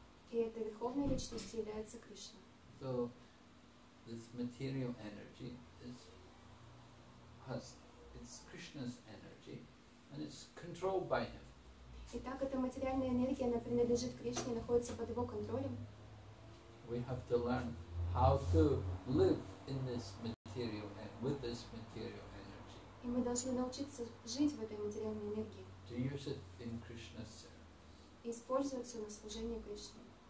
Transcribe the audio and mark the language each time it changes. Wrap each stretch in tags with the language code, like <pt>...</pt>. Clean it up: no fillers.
<ru>И эта верховная личность является Кришна.</ru> <en>So, this material energy is, it's Krishna's energy, and it's controlled by him.</en> <ru>Итак, эта материальная энергия, она принадлежит Кришне и находится под его контролем.</ru> <en>We have to learn how to live in this material and with this material energy.</en> <ru>И мы должны научиться жить в этой материальной энергии.</ru> <en>To use it in Krishna's service.</en> <ru>Использовать на служение Кришне.</ru>